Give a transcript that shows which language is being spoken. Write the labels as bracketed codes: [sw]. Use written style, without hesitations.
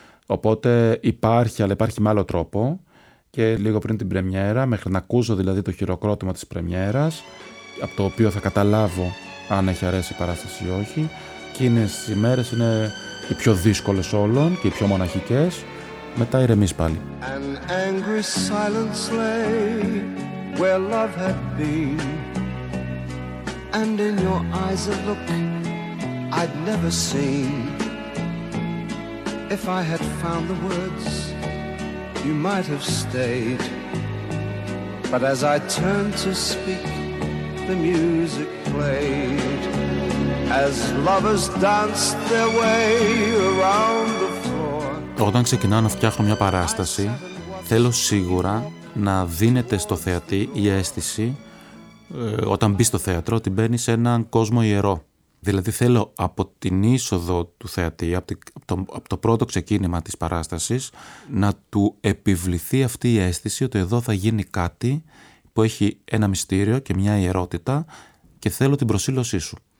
[el] Οπότε υπάρχει, αλλά υπάρχει με άλλο τρόπο. Και λίγο πριν την πρεμιέρα, μέχρι να ακούσω δηλαδή το χειροκρότημα της πρεμιέρας, από το οποίο θα καταλάβω αν έχει αρέσει η παράσταση ή όχι, εκείνες οι μέρες είναι οι πιο δύσκολες όλων και οι πιο μοναχικές. Μετά ηρεμείς πάλι. [en] An angry silence lay where love had been. And in your eyes a look I'd never seen. If I had found the words you might have stayed. But as I turned to speak the music played. As lovers danced their way around the floor. [el] Όταν ξεκινάω να φτιάχνω μια παράσταση, θέλω σίγουρα να δίνεται στο θεατή η αίσθηση όταν μπει στο θέατρο ότι μπαίνει σε έναν κόσμο ιερό. Δηλαδή θέλω από την είσοδο του θεατή, από το πρώτο ξεκίνημα της παράστασης, να του επιβληθεί αυτή η αίσθηση ότι εδώ θα γίνει κάτι που έχει ένα μυστήριο και μια ιερότητα και θέλω την προσήλωσή σου.